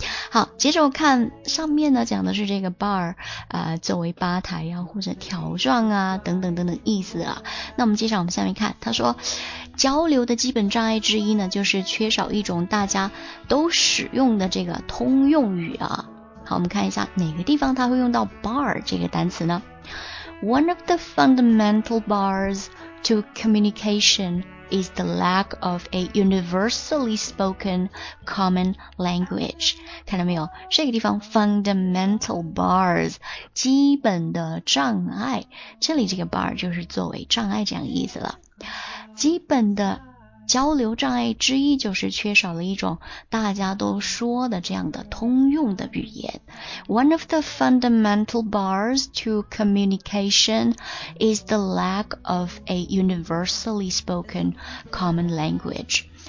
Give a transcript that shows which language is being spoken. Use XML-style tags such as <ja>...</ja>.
<zh>好，接着我看上面呢讲的是这个 bar 作为吧台啊或者条状啊等等等等意思啊。那我们接下来我们下面看，他说交流的基本障碍之一呢就是缺少一种大家都使用的这个通用语啊。好，我们看一下哪个地方他会用到 bar 这个单词呢。</zh> <en>One of the fundamental bars to communication is the lack of a universally spoken common language.</en> <zh>看到没有？这个地方</zh> <en>fundamental bars,</en> <zh>基本的障碍。这里这个 bar 就是作为障碍这样意思了。基本的交流障碍之一就是缺少了一种大家都说的这样的通用的语言。</zh> <en>One of the fundamental bars to communication is the lack of a universally spoken common language.</en>